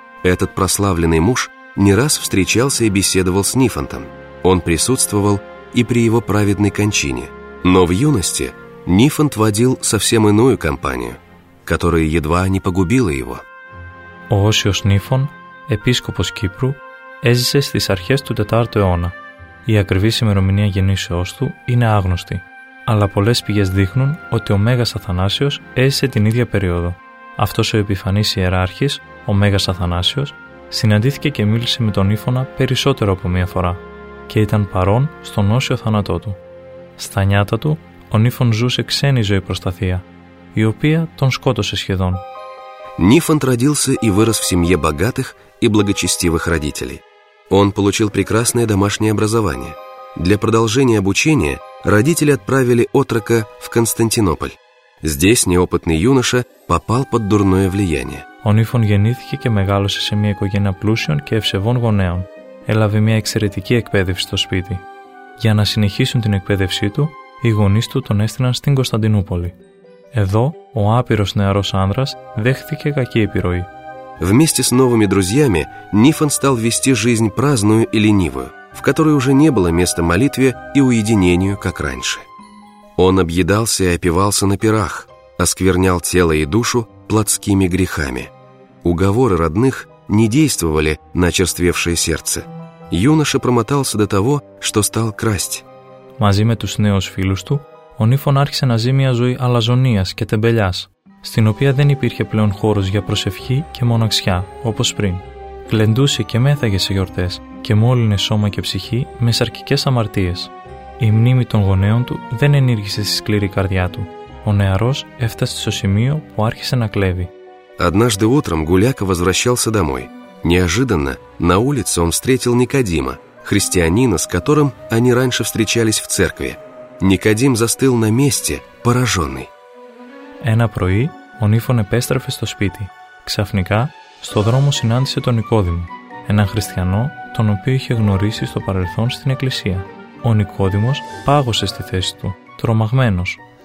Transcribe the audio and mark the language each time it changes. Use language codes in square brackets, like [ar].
[ru] Этот прославленный муж не раз встречался и беседовал с Нифонтом. Он присутствовал и при его праведной кончине. Но в юности Нифонт водил совсем иную компанию, которая едва не погубила его. [el] Оосиос Нифон, επίσκοπος Κύπρου, έζησε στις αρχές του 4ου αιώνα. Η ακριβής ημερομηνία γεννήσεώς του είναι άγνωστη, αλλά πολλές πηγές δείχνουν ότι ο Μέγας Αθανάσιος έζησε την ίδια περίοδο. Αυτός ο επιφανής ιεράρχης, ο Μέγας Αθανάσιος, συναντήθηκε και μίλησε με τον Νίφωνα περισσότερο από μία φορά και ήταν παρόν στον όσιο θάνατό του. Στα νιάτα του, ο Νίφων ζούσε ξένη ζωή προς τα θεία, η οποία τον σκότωσε σχεδόν. [ru] Нифонт родился и вырос в семье богатых и благочестивых родителей. Он получил прекрасное домашнее образование. Для продолжения обучения родители отправили отрока в Константинополь. Здесь неопытный юноша попал под дурное влияние. [el] Ο Нίφων γεννήθηκε και μεγάλωσε σε μια οικογένεια πλούσιων και ευσεβών γονέων. Έλαβε μια εξαιρετική εκπαίδευση στο σπίτι. Για να συνεχίσουν την εκπαίδευσή του, οι γονείς του τον έστειλαν στην Κωνσταντινούπολη. Εδώ, ο άπειρος νεαρός άνδρας δέχθηκε κακή επιρροή. [ru] Вместе с новыми друзьями Нифон стал вести жизнь праздную и ленивую, в которой уже не было места молитве и уединению, как раньше. Он объедался и опивался на пирах, осквернял тело и душу плотскими грехами. Уговоры родных не действовали на черствевшее сердце. Юноша промотался до того, что стал красть. [el] Мази με τους νέους φίλους του, ο Νίφων άρχισε να ζει μια ζωή αλαζονίας και τεμπελιάς, στην οποία δεν υπήρχε πλέον χώρος για προσευχή και μοναξιά, όπως πριν. Γλεντούσε και μέθαγε σε γιορτές, και μόλυνε σώμα και ψυχή με σαρκικές αμαρτίες. Η μνήμη των γονέων του δεν ενήργησε στη σκληρή καρδιά του. Ο νεαρός έφτασε στο σημείο που άρχισε να κλέβει. [ru] Однажды утром Гуляка возвращался домой. Неожиданно на улице он встретил Никодима, христианина, с которым они раньше встречались в церкви. Никодим застыл на месте, пораженный. [el] Ένα πρωί ο Νίφων επέστρεφε στο σπίτι. Ξαφνικά, στο δρόμο συνάντησε τον Νικόδημο, έναν χριστιανό τον οποίο είχε γνωρίσει στο παρελθόν στην εκκλησία. Ο Νικόδημος πάγωσε στη θέση του, τρομαγμένος.